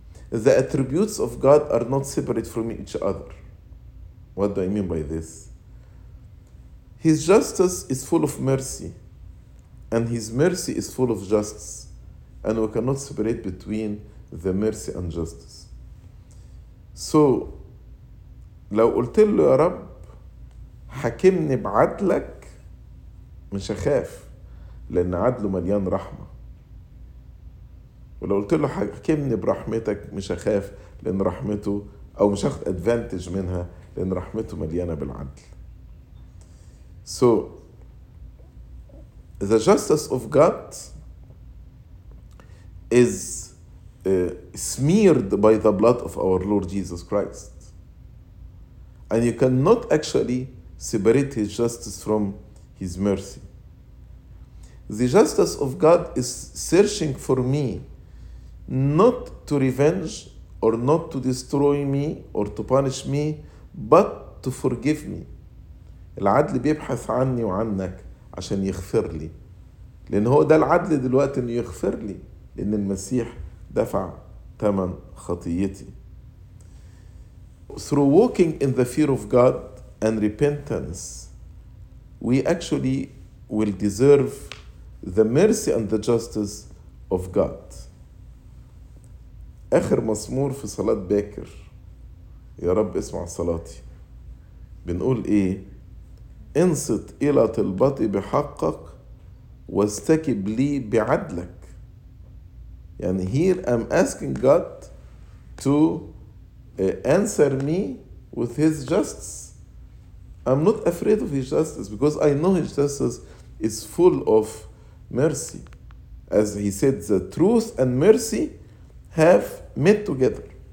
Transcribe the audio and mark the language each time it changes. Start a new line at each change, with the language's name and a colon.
English: The attributes of God are not separate from each other. What do I mean by this? His justice is full of mercy, and his mercy is full of justice. And we cannot separate between the mercy and justice.
Arabic: So, لو قلت له يا رب حكمني بعدلك مش أخاف لأن عدله مليان رحمة. ولو قلت له حكمني برحمتك مش أخاف لأن رحمته أو مش أخذ أدفانتج منها لأن رحمته مليانة بالعدل.
English: So, the justice of God is smeared by the blood of our Lord Jesus Christ. And you cannot actually separate His justice from His mercy. The justice of God is searching for me not to revenge or not to destroy me or to punish me, but to forgive me.
Arabic: العدل بيبحث عني وعنك عشان يغفر لي. لأن هو ده العدل دلوقتي إنه يغفر لي لأن المسيح دفع ثمن خطيتي.
English: Through walking in the fear of God and repentance, we actually will deserve the mercy and the justice of God.
Arabic: آخر مزمور في صلاة باكر يا رب اسمع صلاتي بنقول إيه؟ انصت إلى طلبتي بحقك واستكب لي بعدلك. يعني
English: here I'm asking God to answer me with His justice. I'm not afraid of His justice because I know His justice is full of mercy. As He said, the truth and mercy have met together.